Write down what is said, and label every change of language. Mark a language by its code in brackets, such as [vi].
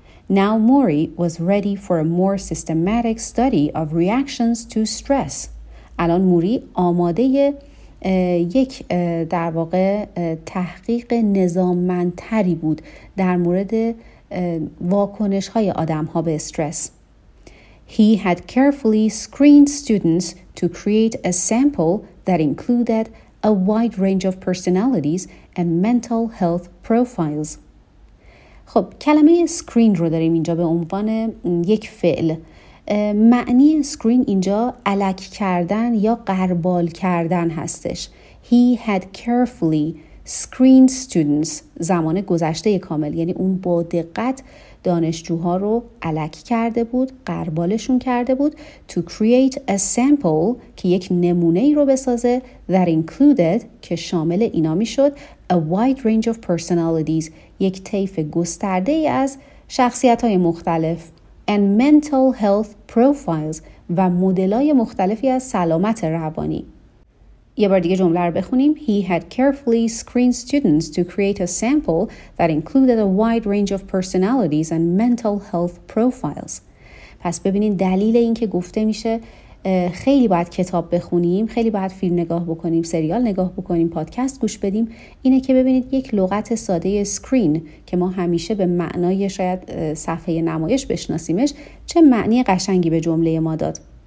[en] Now Murray was ready for a more systematic study of reactions to stress. [fa] الان موری آماده یک در واقع تحقیق نظاممندتری بود در مورد واکنش های آدم ها به استرس. [en] He had carefully screened students to create a sample that included a wide range of personalities and mental health profiles. [fa] خب کلمه screen رو داریم اینجا به عنوان یک فعل. معنی screen اینجا الک کردن یا غربال کردن هستش. [en] He had carefully screened students [fa] زمان گذشته کامل، یعنی اون با دقت دانشجوها رو الک کرده بود، غربالشون کرده بود. [en] To create a sample [fa] که یک نمونه ای رو بسازه. [en] That included [fa] که شامل اینا می شد. [en] A wide range of personalities [fa] یک طیف گسترده ای از شخصیت های مختلف. [en] And mental health profiles [fa] و مدل های مختلفی از سلامت روانی. یه بار دیگه جمله رو بخونیم. [en] He had carefully screened students to create a sample that included a wide range of personalities and mental health profiles. [fa] پس ببینید دلیل این که گفته میشه خیلی باید کتاب بخونیم، خیلی باید فیلم نگاه بکنیم، سریال نگاه بکنیم، پادکست گوش بدیم، اینه که ببینید یک لغت ساده screen که ما همیشه به معنای شاید صفحه نمایش بشناسیمش چه معنی قشنگی به جمله ما داد.